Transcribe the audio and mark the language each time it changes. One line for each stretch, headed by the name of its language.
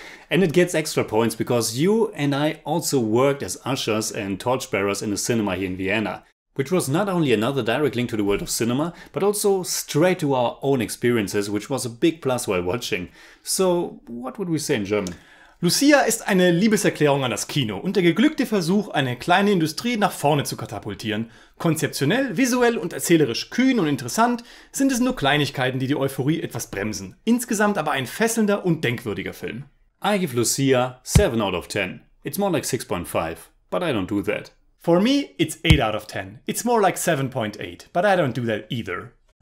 English: And it gets extra points because you and I also worked as ushers and torchbearers in a cinema here in Vienna, which was not only another direct link to the world of cinema, but also straight to our own experiences, which was a big plus while watching. So, what would we say in German?
German: Lucia ist eine Liebeserklärung an das Kino und der geglückte Versuch, eine kleine Industrie nach vorne zu katapultieren. Konzeptionell, visuell und erzählerisch kühn und interessant sind es nur Kleinigkeiten, die die Euphorie etwas bremsen. Insgesamt aber ein fesselnder und denkwürdiger Film.
English: I give Lucia 7 out of 10. It's more like 6.5, but I don't do that. For me, it's 8 out of 10. It's more like 7.8, but I don't do that either.